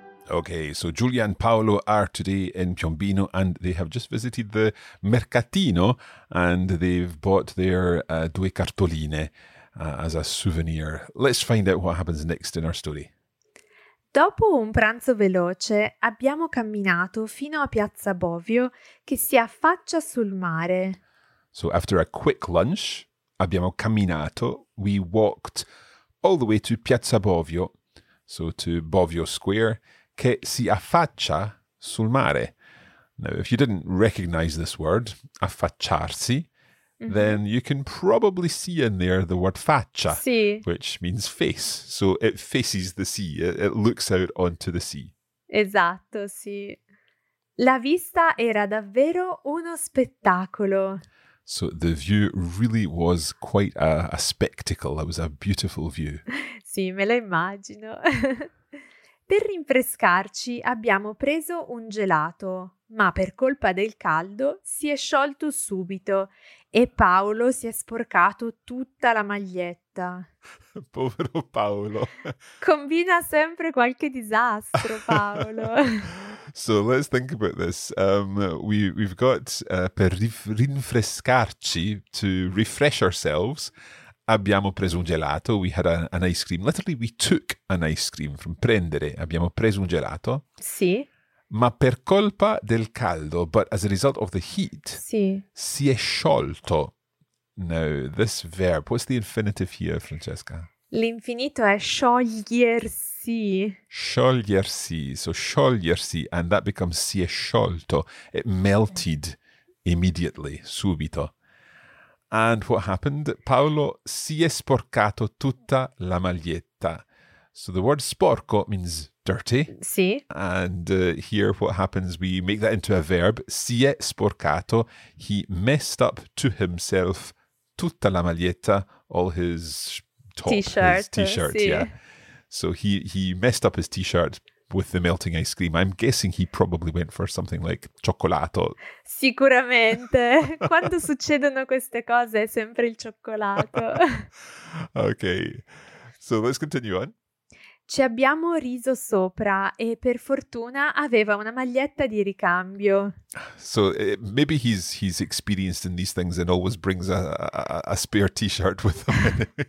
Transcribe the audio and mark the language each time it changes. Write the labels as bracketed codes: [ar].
[en] Okay, so Giulia and Paolo are today in Piombino and they have just visited the Mercatino and they've bought their [it] due cartoline [en] as a souvenir. Let's find out what happens next in our story. [it] Dopo un pranzo veloce, abbiamo camminato fino a Piazza Bovio, che si affaccia sul mare. [en] So after a quick lunch, [it] abbiamo camminato, [en] we walked all the way to Piazza Bovio, so to Bovio Square, [it] che si affaccia sul mare. [en] Now, if you didn't recognize this word, affacciarsi, then you can probably see in there the word faccia, [it] sì, [en] which means face. So it faces the sea. It looks out onto the sea. [it] Esatto, sì. La vista era davvero uno spettacolo. [en] So the view really was quite a spectacle. It was a beautiful view. [it] Sì, me lo immagino. Per rinfrescarci abbiamo preso un gelato, ma per colpa del caldo si è sciolto subito e Paolo si è sporcato tutta la maglietta. Povero Paolo. Combina sempre qualche disastro, Paolo. [en] So let's think about this. We've got [it] per rinfrescarci, [en] to refresh ourselves, [it] abbiamo preso un gelato, [en] we had an ice cream. Literally, we took an ice cream, from prendere. [it] Abbiamo preso un gelato. Sì. Ma per colpa del caldo, [en] but as a result of the heat, [it] sì, si è sciolto. [en] Now, this verb, what's the infinitive here, Francesca? [it] L'infinito è sciogliersi. [en] Sciogliersi, so sciogliersi, and that becomes [it] si è sciolto. [en] It melted immediately, subito. And what happened? [it] Paolo si è sporcato tutta la maglietta. [en] So the word sporco means dirty. [it] Sì. [en] And here what happens, we make that into a verb. [it] Si è sporcato. [en] He messed up to himself [it] tutta la maglietta, [en] all his top. T-shirt. His t-shirt, [it] sì. [en] Yeah. So he messed up his t-shirt with the melting ice cream. I'm guessing he probably went for something like cioccolato. [it] Sicuramente. Quando succedono queste cose è sempre il cioccolato. [en] Okay, so let's continue on. [it] Ci abbiamo riso sopra e per fortuna aveva una maglietta di ricambio. [en] So maybe he's experienced in these things and always brings a spare t-shirt with him.